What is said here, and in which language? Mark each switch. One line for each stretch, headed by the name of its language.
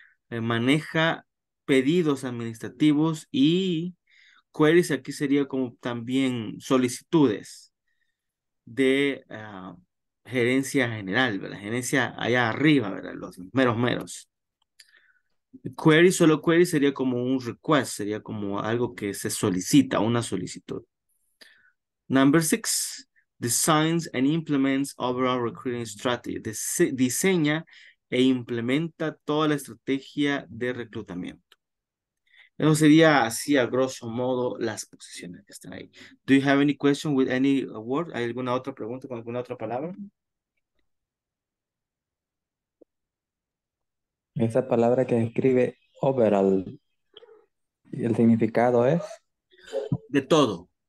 Spanish: Maneja pedidos administrativos y queries, aquí sería como también solicitudes de gerencia general, ¿verdad? Gerencia allá arriba, ¿verdad? Los meros meros. Query, solo query sería como un request, sería como algo que se solicita, una solicitud.
English: Number six, designs and implements overall recruiting strategy.
Spanish: Diseña e implementa toda la estrategia de reclutamiento. Eso sería así a grosso modo las posiciones que están ahí.
English: Do you have any question with any word?
Spanish: ¿Hay alguna otra pregunta con alguna otra palabra? Esa palabra que escribe overall, ¿y el significado es? De todo.